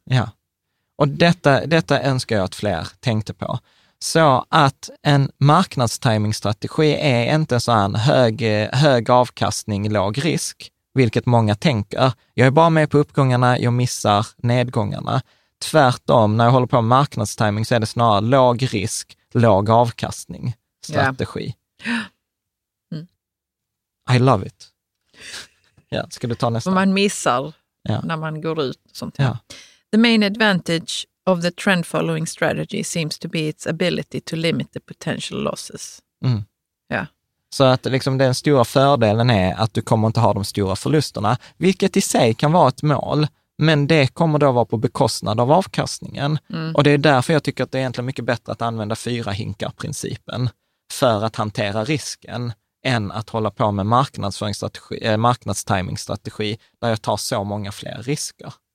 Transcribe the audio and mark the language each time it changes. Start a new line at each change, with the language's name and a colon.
Swedish: Ja, och detta önskar jag att fler tänkte på. Så att en marknadstiming-strategi är inte så en hög avkastning, låg risk, vilket många tänker. Jag är bara med på uppgångarna, jag missar nedgångarna. Tvärtom, när jag håller på med marknadstiming så är det snarare låg risk, låg avkastning strategi.
English: Yeah.
Swedish: Mm.
English: I love it.
Swedish: Ja, ska du ta nästa? Man missar när man går ut sånt. Ja.
English: The main advantage of the trend following strategy seems to be its ability to limit the potential losses.
Swedish: Mm.
English: Yeah.
Swedish: Så att liksom den stora fördelen är att du kommer inte ha de stora förlusterna, vilket i sig kan vara ett mål. Men det kommer då vara på bekostnad av avkastningen. Mm. Och det är därför jag tycker att det är egentligen mycket bättre att använda fyra hinkar-principen för att hantera risken än att hålla på med marknadstiming-strategi där jag tar så många fler risker.